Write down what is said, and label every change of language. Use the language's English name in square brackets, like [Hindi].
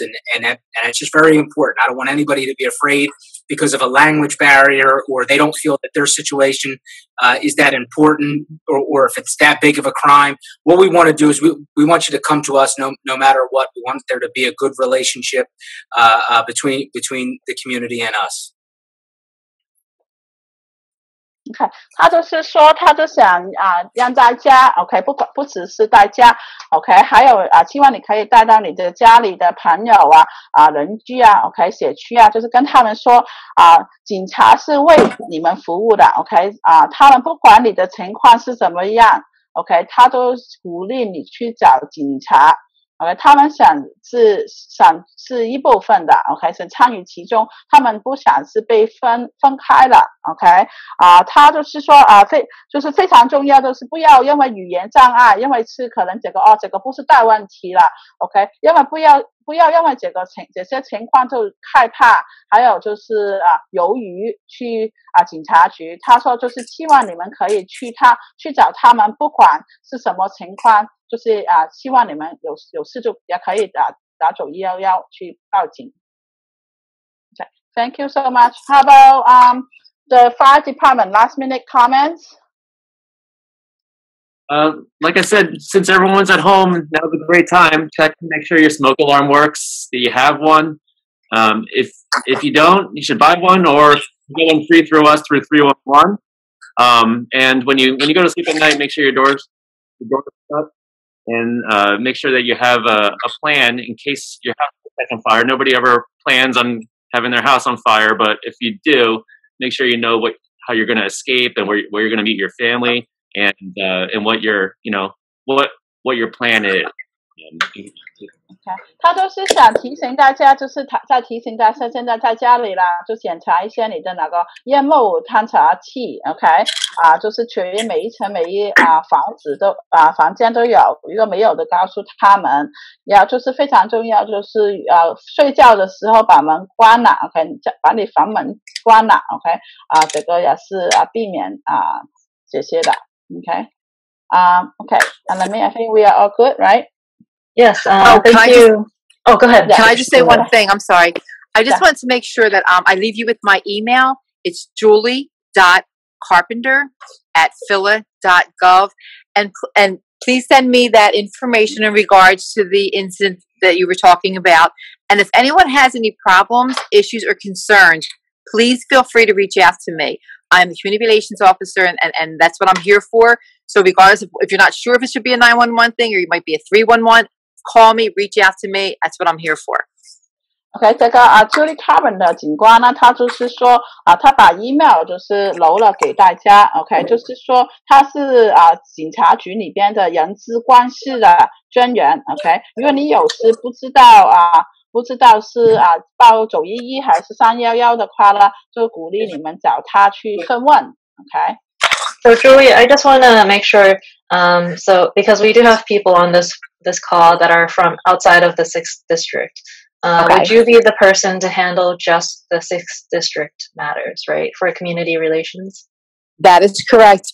[English] And it's just very important. I don't want anybody to be afraid because of a language barrier or they don't feel that their situation is that important or if it's that big of a crime. What we want to do is we want you to come to us no matter what. We want there to be a good relationship between the community and us. [Chinese] Okay, 他就是说他就想让大家 OK 不只是大家 OK 还有希望你可以带到你的家里的朋友邻居OK 社区就是跟他们说警察是为你们服务的 OK 他们不管你的情况是怎么样 OK 他都鼓励你去找警察 OK 他们想是一部分的 ,OK, 是参与其中他们不想是被分开了 ,OK, 他就是说就是非常重要就是不要因为语言障碍因为是可能这个这个不是大问题了 ,OK, 因为不要不不要因为这个情这些情况就害怕，还有就是啊犹豫去啊警察局。他说就是希望你们可以去他去找他们，不管是什么情况，就是啊希望你们有事就也可以打走111去报警。 [English] Okay, thank you so much. How about the fire department last minute comments? Like I said, since everyone's at home, now is a great time. Check to make sure your smoke alarm works, that you have one. If you don't, you should buy one or get one free through us through 311. And when you go to sleep at night, make sure your door is shut and make sure that you have a plan in case your house is on fire. Nobody ever plans on having their house on fire, but if you do, make sure you know how you're going to escape and where you're going to meet your family. And what your, you know, what your plan is. [Chinese] Okay. 他就是想提醒大家，就是在提醒大家现在在家里啦，就检查一些你的那个烟雾探查器 ，OK？啊，就是确认每一层每一啊房子都啊房间都有，如果没有的告诉他们。然后就是非常重要，就是睡觉的时候把门关了 ，OK？把你房门关了 ，OK？ 啊，这个也是啊避免啊这些的。 [English] Okay. Okay. And let me, I think we are all good, right? Yes. Thank you. Go ahead. Yeah, can I just say one thing? I'm sorry. I just want to make sure that I leave you with my email. It's julie.carpenter@phila.gov. And please send me that information in regards to the incident that you were talking about. And if anyone has any problems, issues, or concerns, please feel free to reach out to me. I'm the community relations officer, and that's what I'm here for. So regardless, if you're not sure if it should be a 911 thing, or you might be a 311, call me, reach out to me. That's what I'm here for. [Chinese] Okay, 这个Julie Carmen 的警官呢，他就是说他把 email 就是留了给大家。 Okay, 就是说他是警察局里边的人资关系的专员。 Okay, 如果你有事不知道不知道是报911还是311的话呢，就鼓励你们找他去询问。 [English] Okay. So Julie, I just want to make sure, so because we do have people on this call that are from outside of the 6th district, okay. Would you be the person to handle just the 6th district matters, right, for community relations? That is correct.